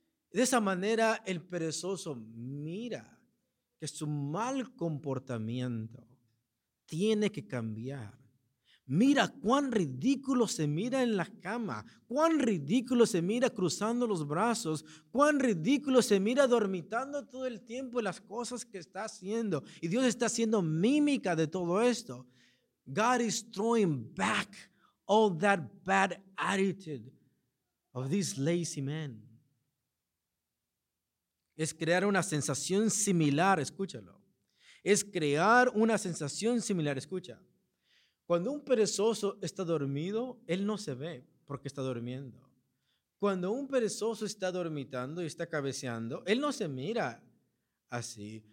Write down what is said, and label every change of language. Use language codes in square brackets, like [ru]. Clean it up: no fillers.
[es] De esa manera el perezoso mira que su mal comportamiento tiene que cambiar. Mira cuán ridículo se mira en la cama, cuán ridículo se mira cruzando los brazos, cuán ridículo se mira dormitando todo el tiempo las cosas que está haciendo. Y Dios está haciendo mímica de todo esto. [en] God is throwing back all that bad attitude of this lazy man. [es] Es crear una sensación similar, escúchalo. Es crear una sensación similar. Escucha, cuando un perezoso está dormido, él no se ve porque está durmiendo. Cuando un perezoso está dormitando y está cabeceando, él no se mira así.